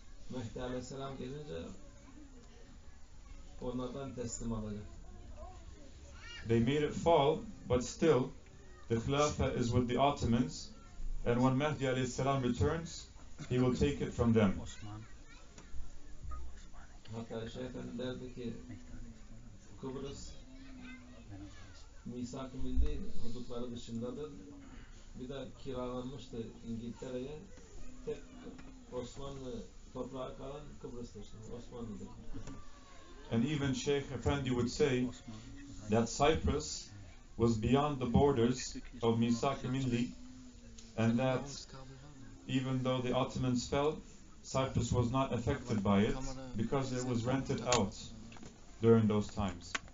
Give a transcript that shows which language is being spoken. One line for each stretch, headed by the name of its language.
Turkish: Mehdi Aleyhisselam gelince onlardan teslim alacak.
English: They made it fall, but still the Khilafah is with the Ottomans, and when Mehdi Aleyhis Salam returns, he will take it from them.
Turkish: Hatta Şeyh Efendi derdi ki, Kıbrıs Misak-ı Milli hudutları dışındadır. Bir de kiralanmıştı İngiltere'ye. Tek Osmanlı toprağı kalan Kıbrıs'tır. Osmanlı'dır.
English: And even Şeyh Efendi would say that Cyprus was beyond the borders of Misak-ı Milli, and that even though the Ottomans fell, Cyprus was not affected by it because it was rented out during those times.